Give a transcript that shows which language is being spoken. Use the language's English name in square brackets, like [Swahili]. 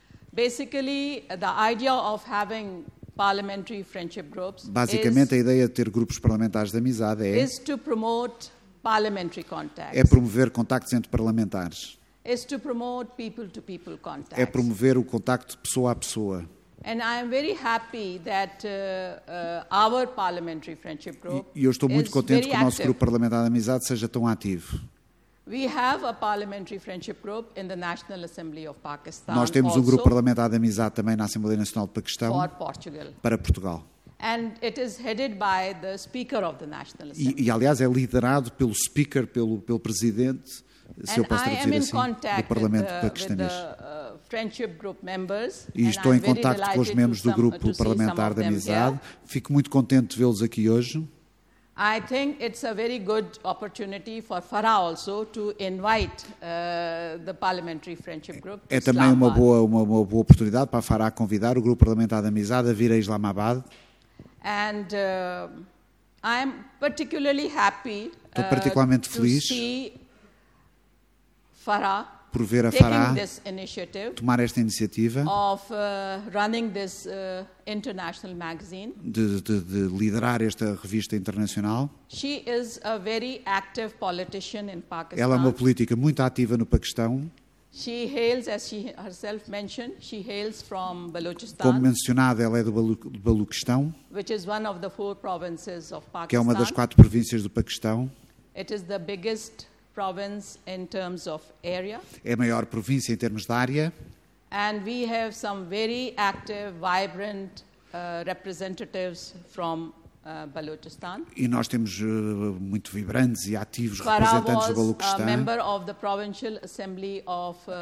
[English] Basically, the idea of having parliamentary friendship groups [Portuguese] basicamente, a ideia de ter grupos parlamentares de amizade é [English] is to promote parliamentary contacts. [Portuguese] É promover contactos entre parlamentares. [English] Is to promote people to people contacts. [Portuguese] É promover o contacto de pessoa a pessoa. [English] And I am very happy that our parliamentary friendship group [Portuguese] e eu estou muito contente que o nosso grupo parlamentar de amizade seja tão ativo. [English] We have a parliamentary friendship group in the National Assembly of Pakistan. [Portuguese] Nós temos um grupo parlamentar de amizade também na Assembleia Nacional de Paquistão para Portugal. [English] And it is headed by the speaker of the National Assembly. [Portuguese] E aliás é liderado pelo speaker, pelo presidente, se eu posso traduzir assim, do Parlamento paquistanês. [English] Friendship group members, [Portuguese] e estou em contacto com os membros do grupo parlamentar de amizade. [English] Here. [Portuguese] Fico muito contente de vê-los aqui hoje. [English] I think it's a very good opportunity for Farah also to invite the parliamentary friendship group. [Portuguese] É também uma boa oportunidade para Farah convidar o grupo parlamentar de amizade a vir a Islamabad. [English] And I'm particularly happy [Portuguese] estou particularmente feliz [English] to see Farah [Portuguese] por ver a Farah tomar esta iniciativa [English] of, running this, international magazine. [Portuguese] De liderar esta revista internacional. [English] She is a very active politician in Pakistan. [Portuguese] Ela é uma política muito ativa no Paquistão. [English] She hails, as she herself mentioned, she hails from Balochistan, [Portuguese] como mencionada, ela é do Baluchistão, [English] which is one of the four provinces of Pakistan. [Portuguese] Que é uma das quatro províncias do Paquistão. [English] It is the biggest province in terms of area. [Portuguese] É a maior província em termos de área. [English] And we have some very active, vibrant representatives from Balochistan. [Portuguese] E nós temos muito vibrantes e ativos representantes do Baluchistão. [English] Farah was a member of the provincial assembly of